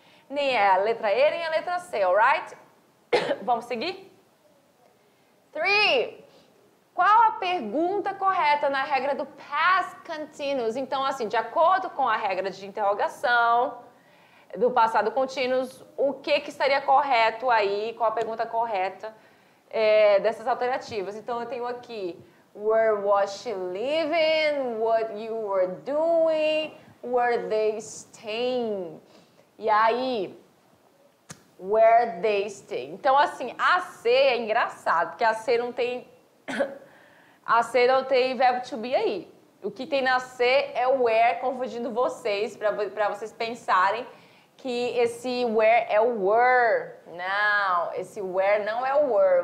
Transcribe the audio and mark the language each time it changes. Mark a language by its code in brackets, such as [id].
[pt] Nem é a letra E, nem a letra C, [en] alright? [pt] Vamos seguir? 3. Qual a pergunta correta na regra do past continuous? Então, assim, de acordo com a regra de interrogação do passado contínuo, o que estaria correto aí? Qual a pergunta correta? É, dessas alternativas. Então, eu tenho aqui, [en] where was she living, what you were doing, were they staying? [pt] E aí, [en] where they staying? [pt] Então, assim, a C é engraçado, porque a C não tem verbo to be aí. O que tem na C é where, confundindo vocês, para vocês pensarem que esse where é o were. Não, esse where não é o were.